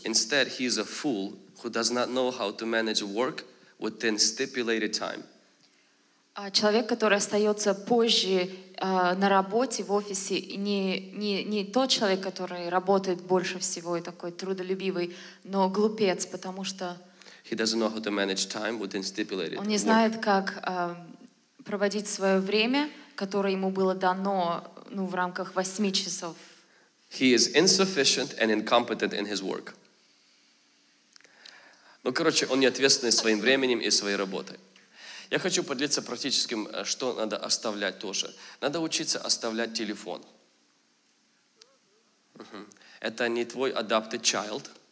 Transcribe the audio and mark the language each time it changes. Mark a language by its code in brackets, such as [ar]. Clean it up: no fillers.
[en] Instead, he is a fool who does not know how to manage work within stipulated time. [ru] Человек, который остается позже на работе, в офисе, не тот человек, который работает больше всего и такой трудолюбивый, но глупец, потому что [en] he doesn't know how to manage time within stipulated work. [ru] Он не знает, как проводить свое время, которое ему было дано, ну, в рамках 8 часов. He is insufficient and incompetent in his work. Ну, короче, он не ответственный своим временем и своей работой. Я хочу поделиться практическим, что надо оставлять тоже. Надо учиться оставлять телефон. Это не твой [en] adopted child.